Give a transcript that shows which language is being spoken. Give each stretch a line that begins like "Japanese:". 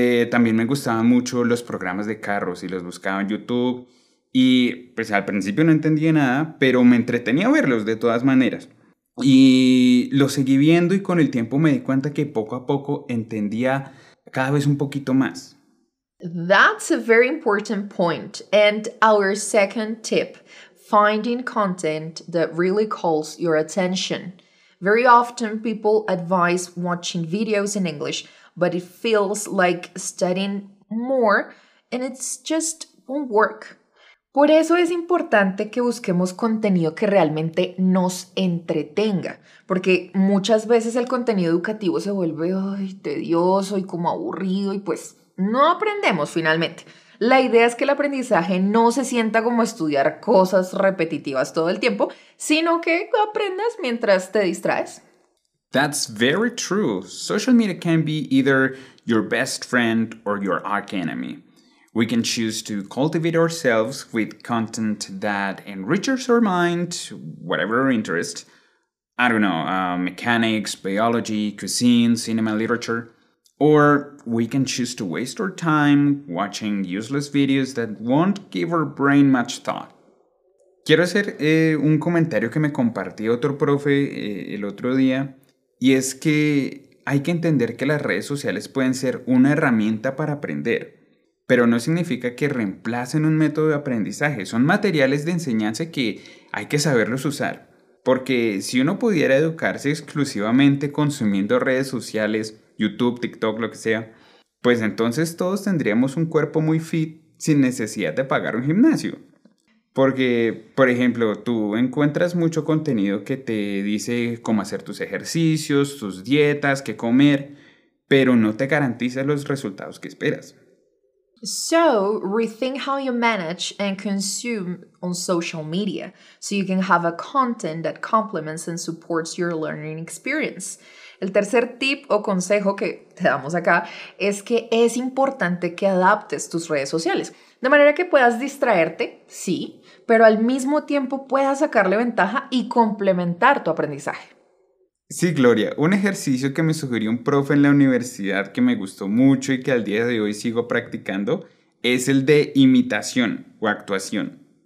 Spanish: También me gustaban mucho los programas de carros y los buscaba en YouTube. Y pues al principio no entendía nada, pero me entretenía verlos de todas maneras. Y lo seguí viendo y con el tiempo me di cuenta que poco a poco entendía cada vez un poquito más.
English: That's a very important point. And our second tip, finding content that really calls your attention. Very often people advise watching videos in English, but it feels like studying more and it's just won't work.
Spanish: Por eso es importante que busquemos contenido que realmente nos entretenga, porque muchas veces el contenido educativo se vuelve tedioso y como aburrido y pues no aprendemos finalmente. La idea es que el aprendizaje no se sienta como estudiar cosas repetitivas todo el tiempo, sino que aprendas mientras te distraes.
English: That's very true. Social media can be either your best friend or your arch enemy. We can choose to cultivate ourselves with content that enriches our mind, whatever our interest. I don't know, mechanics, biology, cuisine, cinema, literature. Or we can choose to waste our time watching useless videos that won't give our brain much thought.
Spanish: Quiero hacer un comentario que me compartió otro profe el otro día. Y es que hay que entender que las redes sociales pueden ser una herramienta para aprender. Pero no significa que reemplacen un método de aprendizaje. Son materiales de enseñanza que hay que saberlos usar. Porque si uno pudiera educarse exclusivamente consumiendo redes sociales, YouTube, TikTok, lo que sea, pues entonces todos tendríamos un cuerpo muy fit sin necesidad de pagar un gimnasio. Porque, por ejemplo, tú encuentras mucho contenido que te dice cómo hacer tus ejercicios, tus dietas, qué comer, pero no te garantiza los resultados que esperas.
English: So, rethink how you manage and consume on social media so you can have a content that complements and supports your learning experience.
Spanish: El tercer tip o consejo que te damos acá es que es importante que adaptes tus redes sociales de manera que puedas distraerte, sí, pero al mismo tiempo puedas sacarle ventaja y complementar tu aprendizaje. Sí, Gloria, un ejercicio que me sugirió un profe en la universidad que me gustó mucho y que al día de hoy sigo practicando es el de imitación o actuación.